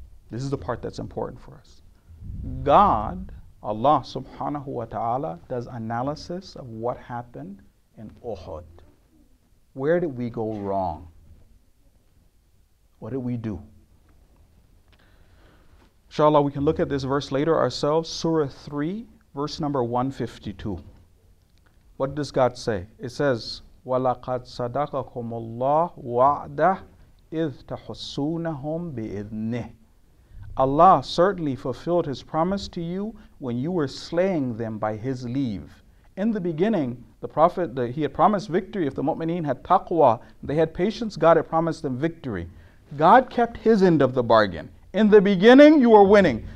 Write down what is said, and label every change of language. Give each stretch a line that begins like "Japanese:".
English: This is the part that's important for us. God, Allah subhanahu wa ta'ala, does analysis of what happened in Uhud. Where did we go wrong? What did we do? Inshallah, we can look at this verse later ourselves. Surah 3, verse number 152. What does God say? It says,
Arabic: وَلَقَدْ صَدَقَكُمُ اللَّهُ وَعْدَهُ إِذْ تَحُسُّونَهُمْ بِإِذْنِهِ.
English: Allah certainly fulfilled His promise to you when you were slaying them by His leave. In the beginning, the Prophet, he had promised victory if the Mu'mineen had taqwa, they had patience, God had promised them victory. God kept His end of the bargain. In the beginning, you were winning.